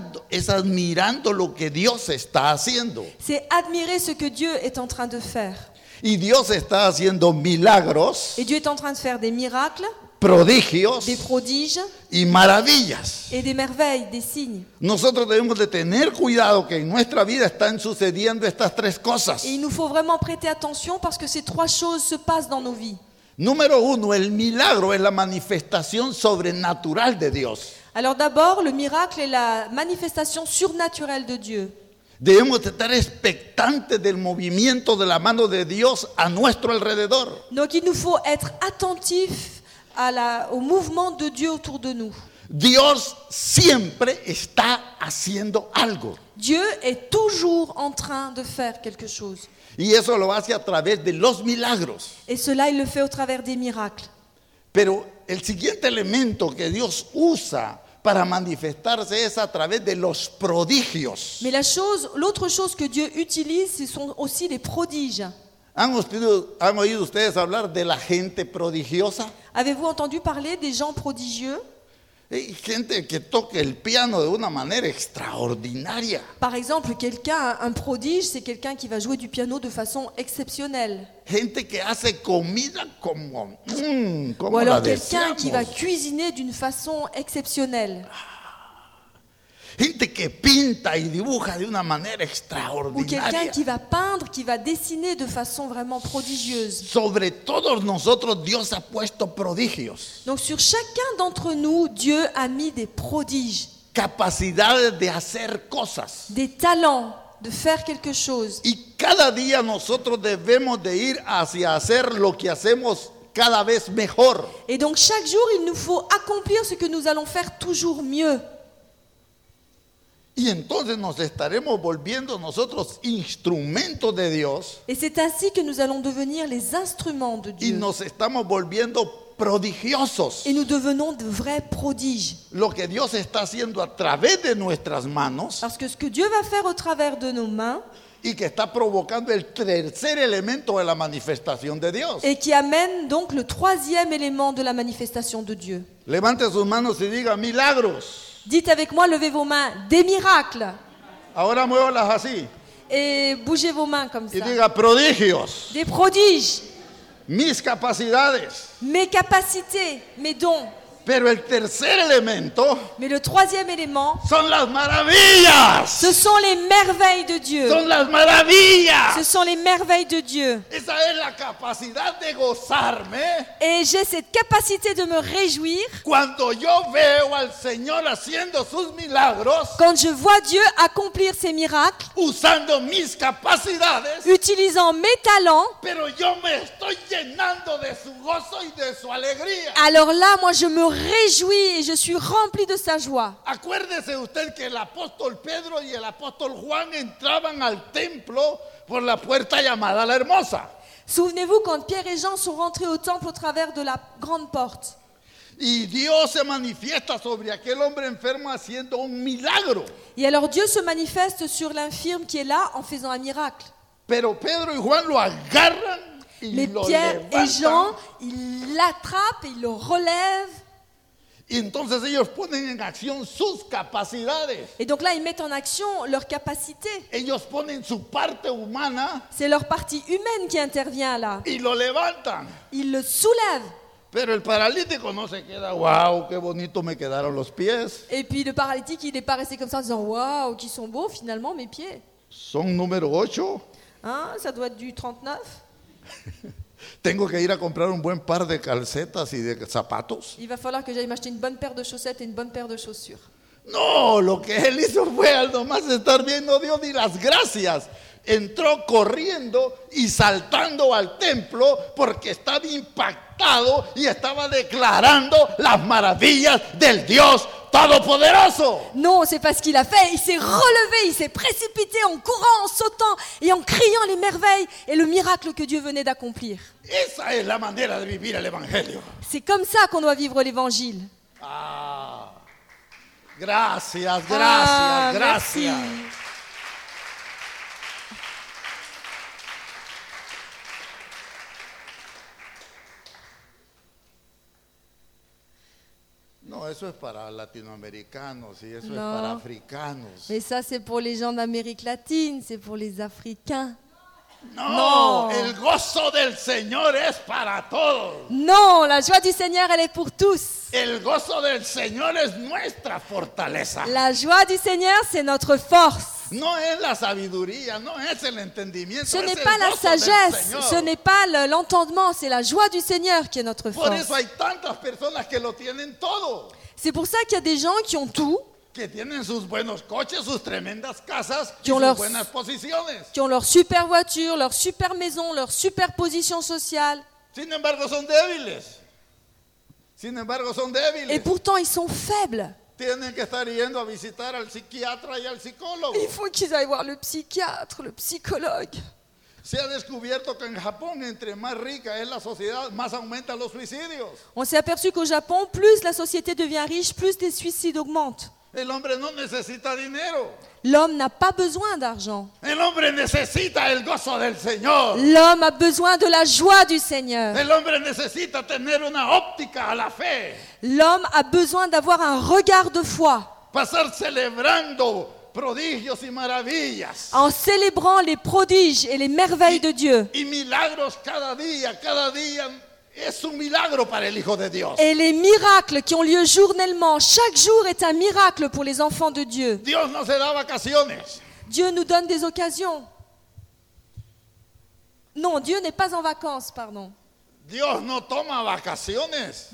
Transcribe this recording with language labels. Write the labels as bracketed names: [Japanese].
[Spanish] Es admirando lo que Dios está haciendo. [French] C'est admirer ce que Dieu est en train de faire. [Spanish] Y Dios está haciendo milagros. [French] Et Dieu est en train de faire des miracles. [Spanish] Prodigios. [French] Des prodiges. [Spanish] Y maravillas. [French] Et des merveilles, des signes. [Spanish] Nosotros debemos de tener cuidado que en nuestra vida están sucediendo estas tres cosas. [French] Et il nous faut vraiment prêter attention parce que ces trois choses se passent dans nos vies. [Spanish] Número uno, el milagro es la manifestación sobrenatural de Dios. [French] Alors d'abord, le miracle est la manifestation surnaturelle de Dieu. [Spanish] Debemos estar expectantes del movimiento de la mano de Dios a nuestro alrededor. [French] Donc il nous faut être attentifs au mouvement de Dieu autour de nous. [Spanish] Dios siempre está haciendo algo. [French] Dieu est toujours en train de faire quelque chose. [Spanish] Y eso lo hace a través de los milagros. [French] Et cela il le fait au travers des miracles. [Spanish] Pero el siguiente elemento que Dios usa para manifestarse es a través de los prodigios. [French] Mais l'autre chose que Dieu utilise, ce sont aussi les prodiges. [Spanish] ¿Han oído ustedes hablar de la gente prodigiosa? [French] Avez-vous entendu parler des gens prodigieux? [Spanish] Hay gente que toca el piano de una manera extraordinaria. [French] Par exemple, quelqu'un, un prodige, c'est quelqu'un qui va jouer du piano de façon exceptionnelle. [Spanish] Gente que hace comida como la deseamos. [French] Ou alors quelqu'un qui va cuisiner d'une façon exceptionnelle. [Spanish] Gente que pinta y dibuja de una manera extraordinaria. [French] Ou quelqu'un qui va peindre, qui va dessiner de façon vraiment prodigieuse. [Spanish] Sobre todos nosotros Dios ha puesto prodigios. [French] Donc sur chacun d'entre nous, Dieu a mis des prodiges. [Spanish] Capacidades de hacer cosas. [French] Des talents de faire quelque chose. [Spanish] Y cada día nosotros debemos de ir hacia hacer lo que hacemos cada vez mejor. [French] Et donc chaque jour, il nous faut accomplir ce que nous allons faire toujours mieux. [Spanish] Y entonces nos estaremos volviendo nosotros instrumentos de Dios. [French] Et c'est ainsi que nous allons devenir les instruments de Dieu. [Spanish] Y nos estamos volviendo prodigiosos. [French] Et nous devenons de vrais prodiges. [Spanish] Lo que Dios está haciendo a través de nuestras manos. [French] Parce que ce que Dieu va faire au travers de nos mains. [Spanish] Y que está provocando el tercer elemento de la manifestación de Dios. [French] Et qui amène donc le troisième élément de la manifestation de Dieu. [Spanish] Levante sus manos y diga milagros. [French] Dites avec moi, levez vos mains, des miracles. [Spanish] Ahora muévalas así. [French] Et bougez vos mains comme [Spanish] y [French] ça. [Spanish] Y diga prodigios. [French] Des prodiges. [Spanish] Mis capacidades. [French] Mes capacités, mes dons. [Spanish] Pero el tercer elemento. [French] Mais le troisième élément. [Spanish] Son las maravillas. [French] Ce sont les merveilles de Dieu. [Spanish] Son las maravillas. [French] Ce sont les merveilles de Dieu. [Spanish] Esa es la capacidad de gozarme. [French] Et j'ai cette capacité de me réjouir. [Spanish] Cuando yo veo al Señor haciendo sus milagros. [French] Quand je vois Dieu accomplir ses miracles. [Spanish] Usando mis capacidades. [French] Utilisant mes talents. [Spanish] Pero yo me estoy llenando de su gozo y de su alegría. [French] Alors là, moi je me réjouis et je suis rempli de sa joie. [Spanish] Acuérdese usted que el apóstol Pedro y el apóstol Juan entraban al templo por la puerta llamada la hermosa. [French] Souvenez-vous quand Pierre et Jean sont rentrés au temple au travers de la grande porte. [Spanish] Y Dios se manifiesta sobre aquel hombre enfermo haciendo un milagro. [French] Et alors Dieu se manifeste sur l'infirme qui est là en faisant un miracle. [Spanish] Pero Pedro y Juan lo agarran. [French] Mais Pierre et Jean, ils l'attrapent et ils le relèvent. [Spanish] Y entonces ellos ponen en acción sus capacidades. [French] Et donc là, ils mettent en action leur capacité. [Spanish] Ellos ponen su parte humana. [French] C'est leur partie humaine qui intervient là. [Spanish] Y lo levantan. [French] Ils le soulèvent. [Spanish] Pero el paralítico no se queda, wow, qué bonito me quedaron los pies. [French] Et puis le paralytique, il n'est pas resté comme ça en disant, wow, qui sont beaux finalement mes pieds. [Spanish] Son número 8. [French] Hein, ça doit être du 39. [Spanish] Tengo que ir a comprar un buen par de calcetas y de zapatos. [French] Il va falloir que j'aille m'acheter une bonne paire de chaussettes et une bonne paire de chaussures. [Spanish] No, lo que él hizo fue al nomás estar viendo, dio ni las gracias. Entró corriendo y saltando al templo porque estaba impactado y estaba declarando las maravillas del Dios Todopoderoso. [French] Non, c'est pas ce qu'il a fait. Il s'est relevé, il s'est précipité en courant, en sautant et en criant les merveilles et le miracle que Dieu venait d'accomplir. [Spanish] Esa es la manera de vivir el Evangelio. [French] C'est comme ça qu'on doit vivre l'Évangile. [Spanish] Ah, gracias, gracias, gracias. [French] Merci. [Spanish] No, eso es para latinoamericanos y eso es para africanos. [French] Mais ça c'est pour les gens d'Amérique latine, c'est pour les africains. [Spanish] No, el gozo del Señor es para todos. [French] Non, la joie du Seigneur elle est pour tous. [Spanish] El gozo del Señor es nuestra fortaleza. [French] La joie du Seigneur c'est notre force. [Spanish] No es la sabiduría, no es el entendimiento. [French] Ce n'est pas la sagesse, ce n'est pas l'entendement, c'est la joie du Seigneur qui est notre force. [Spanish] Por eso hay tantas personas que lo tienen todo. [French] C'est pour ça qu'il y a des gens qui ont tout. [Spanish] Que tienen sus buenos coches, sus tremendas casas, y sus buenas posiciones. [French] Qui ont leur super voiture, leur super maison, leur super position sociale. [Spanish] Sin embargo, son débiles. Sin embargo, son débiles. [French] Et pourtant, ils sont faibles. [Spanish] Tienen que estar yendo a visitar al psiquiatra y al psicólogo. [French] Il faut qu'ils aillent voir le psychiatre, le psychologue. [Spanish] Se ha descubierto que en Japón, entre más rica es la sociedad, más aumentan los suicidios. [French] On s'est aperçu qu'au Japon, plus la société devient riche, plus les suicides augmentent. [Spanish] El hombre no necesita dinero. [French] L'homme n'a pas besoin d'argent. [Spanish] El hombre necesita el gozo del Señor. [French] L'homme a besoin de la joie du Seigneur. [Spanish] El hombre necesita tener una óptica a la fe. [French] L'homme a besoin d'avoir un regard de foi. [Spanish] Pasar celebrando prodigios y maravillas. [French] En célébrant les prodiges et les merveilles de Dieu. [Spanish] Y milagros cada día es un milagro para el Hijo de Dios. [French] Et les miracles qui ont lieu journellement, chaque jour est un miracle pour les enfants de Dieu. [Spanish] Dios nos da vacaciones. [French] Dieu nous donne des occasions. Non, Dieu n'est pas en vacances, pardon. [Spanish] Dios no toma vacaciones.